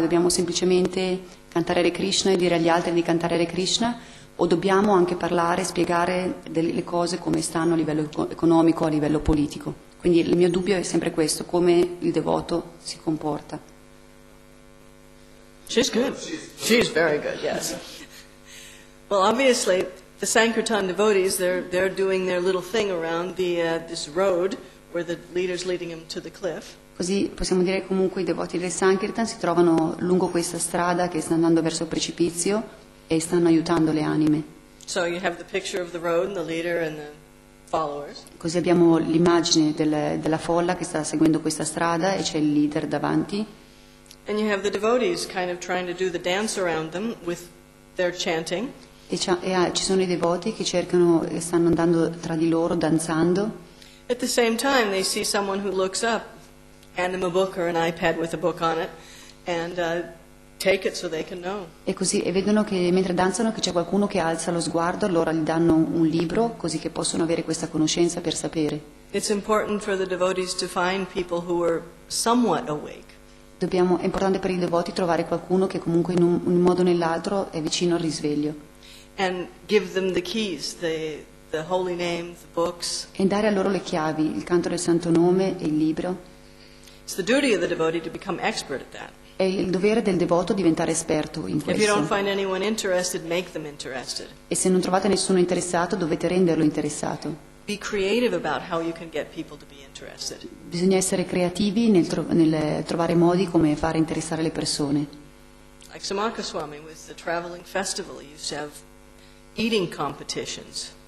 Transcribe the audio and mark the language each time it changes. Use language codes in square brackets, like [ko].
[it] Dobbiamo semplicemente cantare Hare Krishna e dire agli altri di cantare Hare Krishna, o dobbiamo anche parlare e spiegare le cose come stanno a livello economico, a livello politico? Quindi il mio dubbio è sempre questo, come il devoto si comporta. [en] She's good. She's very good, yes. Well, obviously, the Sankirtan devotees, they're doing their little thing around this road where the leader's leading them to the cliff. [it] Così possiamo dire comunque i devoti del Sankirtan si trovano lungo questa strada che sta andando verso il precipizio e stanno aiutando le anime. [en] So you have the picture of the road and the leader and the followers. [it] Così abbiamo l'immagine della folla che sta seguendo questa strada e c'è il leader davanti. [en] And you have the devotees kind of trying to do the dance around them with their chanting. [it] E ci sono i devoti che cercano e stanno andando tra di loro danzando. [en] At the same time they see someone who looks up, hand them a book or an iPad with a book on it, and take it so they can know. [it] E così e vedono che mentre danzano che c'è qualcuno che alza lo sguardo, allora gli danno un libro così che possono avere questa conoscenza per sapere. [en] It's important for the devotees to find people who are somewhat awake. [it] È importante per i devoti trovare qualcuno che comunque in un modo o nell'altro è vicino al risveglio. [en] And give them the keys, the holy name, the books. [it] E dare a loro le chiavi, il canto del santo nome e il libro. [en] It's the duty of the devotee to become expert at that. [it] È il dovere del devoto diventare esperto in questo. [en] If you don't find anyone interested, make them interested. [it] E se non trovate nessuno interessato, dovete renderlo interessato. [en] Be creative about how you can get people to be interested. [it] Bisogna essere creativi nel trovare modi come fare interessare le persone. [en] Like Samaka Swami with the traveling festival, you used to have eating competitions.